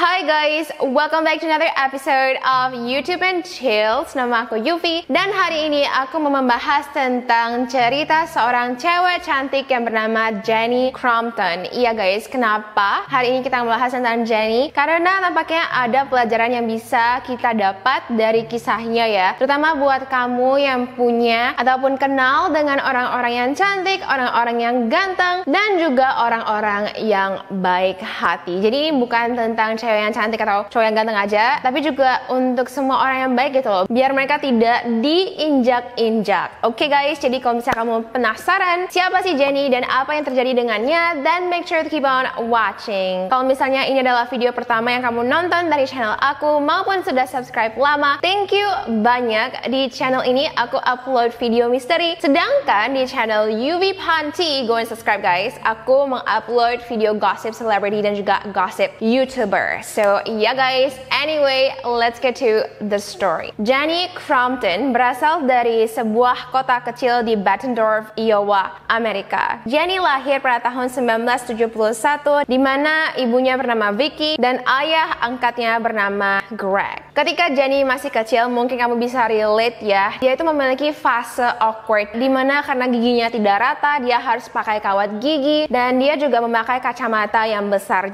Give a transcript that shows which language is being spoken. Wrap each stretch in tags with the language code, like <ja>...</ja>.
<en>Guys, welcome back to another episode of YouTube and Chills.</en> <id>Nama aku Yuvi dan hari ini aku mau membahas tentang cerita seorang cewek cantik yang bernama Jenny Crompton. Iya guys, kenapa hari ini kita membahas tentang Jenny? Karena nampaknya ada pelajaran yang bisa kita dapat dari kisahnya ya. Terutama buat kamu yang punya ataupun kenal dengan orang-orang yang cantik, orang-orang yang ganteng dan juga orang-orang yang baik hati. Jadi ini bukan tentang cewek yang cantik atau cowok yang ganteng aja, tapi juga untuk semua orang yang baik gitu loh, biar mereka tidak diinjak-injak. Oke guys, jadi kalau misalnya kamu penasaran siapa sih Jenny dan apa yang terjadi dengannya,</id> <en>then make sure to keep on watching.</en> <id>Kalau misalnya ini adalah video pertama yang kamu nonton dari channel aku maupun sudah subscribe lama,</id> <en>thank you</en> <id>banyak. Di channel ini aku upload video misteri, sedangkan di channel Yuvi Phan</id> <en>go and subscribe guys,</en> <id>aku mengupload video gossip celebrity dan juga gossip YouTuber.</id> <en>So yeah guys, anyway, let's get to the story.</en> <id>Jenny Crompton berasal dari sebuah kota kecil di Bettendorf, Iowa, Amerika. Jenny lahir pada tahun 1971 di mana ibunya bernama Vicky dan ayah angkatnya bernama Greg. Ketika Jenny masih kecil, mungkin kamu bisa relate ya, dia itu memiliki fase awkward di mana karena giginya tidak rata, dia harus pakai kawat gigi dan dia juga memakai kacamata yang besar.</id>